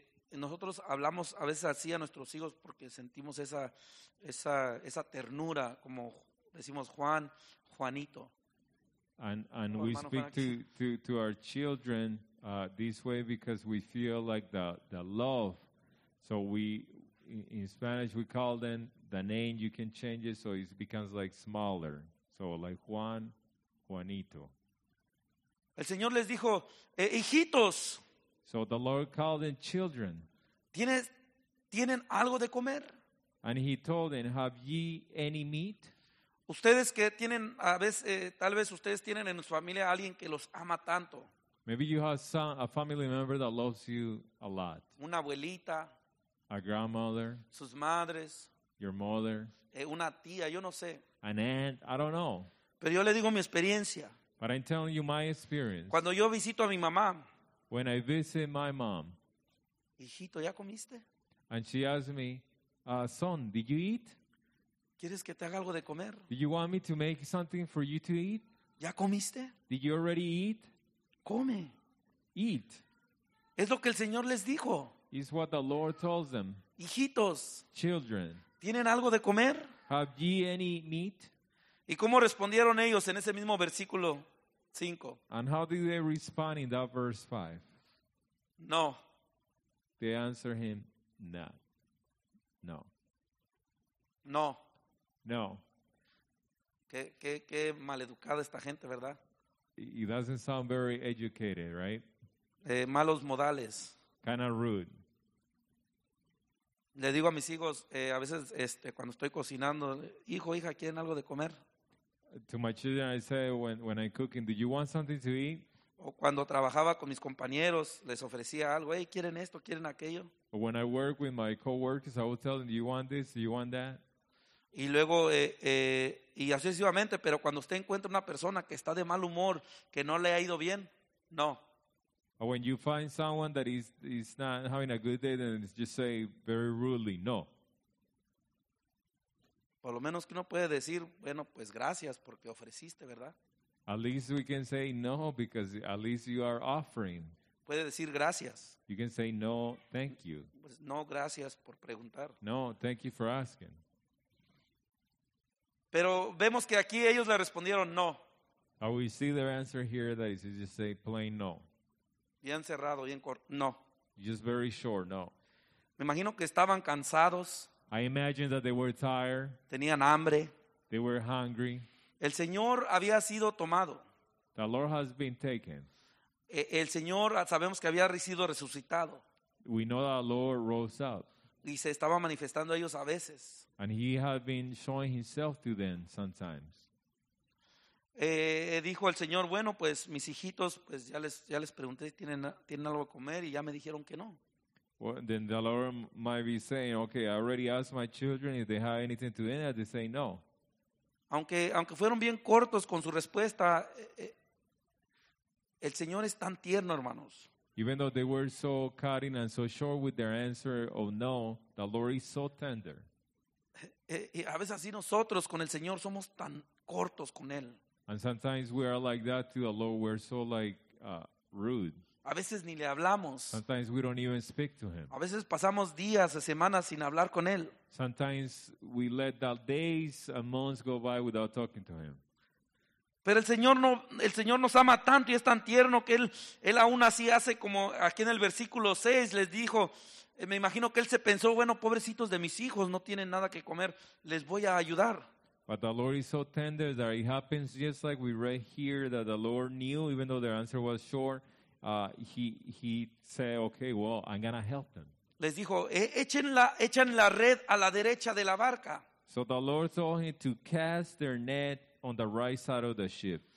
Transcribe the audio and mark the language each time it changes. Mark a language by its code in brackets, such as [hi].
[es] Nosotros hablamos a veces así a nuestros hijos porque sentimos esa ternura, como decimos Juanito. [en] And we speak to our children this way because we feel like the love. So we, in Spanish, we call them the name. You can change it so it becomes like smaller. So like Juanito. [es] El Señor les dijo, hijitos. [en] So the Lord called them children. [es] ¿Tienen algo de comer? [en] And he told them, have ye any meat? [es] Ustedes que tienen a veces tal vez ustedes tienen en su familia a alguien que los ama tanto. [en] Maybe you have a family member that loves you a lot. [es] Una abuelita. [en] A grandmother. [es] Sus madres. [en] Your mother. [es] Una tía, yo no sé. [en] An aunt, I don't know. [es] Pero yo le digo mi experiencia. [en] But I'm telling you my experience. [es] Cuando yo visito a mi mamá. [en] When I visit my mom. [es] Hijito, ¿ya comiste? [en] And she asked me, son, did you eat? [es] ¿Quieres que te haga algo de comer? [en] Do you want me to make something for you to eat? [es] ¿Ya comiste? [en] Did you already eat? [es] Come. [en] Eat. [es] Es lo que el Señor les dijo. [en] It's what the Lord tells them. [es] Hijitos. [en] Children. [es] ¿Tienen algo de comer? [en] Have ye any meat? [es] ¿Y cómo respondieron ellos en ese mismo versículo 5? [en] And how did they respond in that verse 5? [es] No. [en] They answer him, no. No. [es] No. [en] No. [es] Qué maleducada esta gente, ¿verdad? [en] It doesn't sound very educated, right? [es] Malos modales. [en] Kind of rude. [es] Le digo a mis hijos, a veces cuando estoy cocinando, hijo, hija, ¿quieren algo de comer? [en] To my children, I say, when I'm cooking, do you want something to eat? [es] O cuando trabajaba con mis compañeros, les ofrecía algo, hey, ¿quieren esto, quieren aquello? [en] Or when I work with my coworkers, I would tell them, do you want this, do you want that? [es] Y luego, y sucesivamente, pero cuando usted encuentra una persona que está de mal humor, que no le ha ido bien, no. [en] When you find someone that is not having a good day, then just say very rudely, no. [es] Por lo menos que uno puede decir, bueno, pues gracias porque ofreciste, ¿verdad? [en] At least we can say no because at least you are offering. [es] Puede decir gracias. [en] You can say no, thank you. [es] Pues no, gracias por preguntar. [en] No, thank you for asking. [es] Pero vemos que aquí ellos le respondieron no. [en] We see their answer here that is just say plain no. [es] Bien cerrado, bien corto, no. [en] Just very short, no. [es] Me imagino que estaban cansados. [en] I imagine that they were tired. [es] Tenían hambre. [en] They were hungry. [es] El Señor había sido tomado. [en] The Lord has been taken. [es] El Señor, sabemos que había sido resucitado. [en] We know that the Lord rose up. [es] Y se estaba manifestando a ellos a veces. [en] And he had been showing himself to them sometimes. [es] Dijo el Señor, bueno, pues mis hijitos, pues ya les pregunté si tienen algo a comer y ya me dijeron que no. [en] Well, then the Lord might be saying, okay, I already asked my children if they have anything to eat, and they say no. [es] Aunque fueron bien cortos con su respuesta, el Señor es tan tierno, hermanos. [en] Even though they were so cutting and so short with their answer of no, the Lord is so tender. [es] A veces así nosotros con el Señor somos tan cortos con él. [en] And sometimes we are like that too, although we're so rude. [es] A veces ni le hablamos. [en] Sometimes we don't even speak to him. [es] A veces pasamos días, semanas sin hablar con él. [en] Sometimes we let the days and months go by without talking to him. [es] Pero el Señor nos ama tanto y es tan tierno que él aún así hace como aquí en el versículo 6 les dijo, me imagino que él se pensó, bueno, pobrecitos de mis hijos, no tienen nada que comer, les voy a ayudar. [en] But the Lord is so tender that it happens just like we read here that the Lord knew, even though their answer was short, he said, okay, well, I'm going to help them. [es] Les dijo, echen la red a la derecha de la barca. [en] So the Lord told him to cast their net on the right side of the ship.